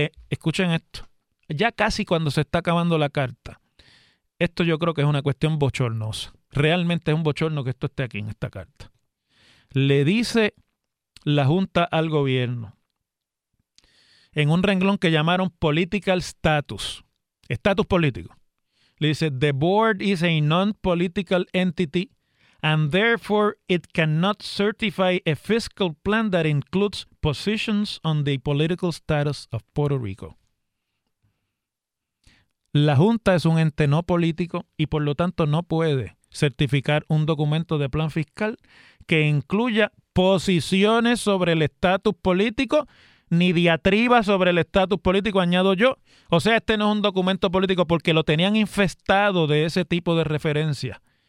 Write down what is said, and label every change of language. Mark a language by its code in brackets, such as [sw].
[es] Escuchen esto, ya casi cuando se está acabando la carta, esto yo creo que es una cuestión bochornosa. Realmente es un bochorno que esto esté aquí en esta carta. Le dice la Junta al gobierno, en un renglón que llamaron [en] political status, [es] estatus político. Le dice, [en] the board is a non-political entity and therefore it cannot certify a fiscal plan that includes positions on the political status of Puerto Rico. [es] La Junta es un ente no político y por lo tanto no puede certificar un documento de plan fiscal que incluya posiciones sobre el estatus político ni diatriba sobre el estatus político, añado yo. O sea, este no es un documento político porque lo tenían infestado de ese tipo de referencia.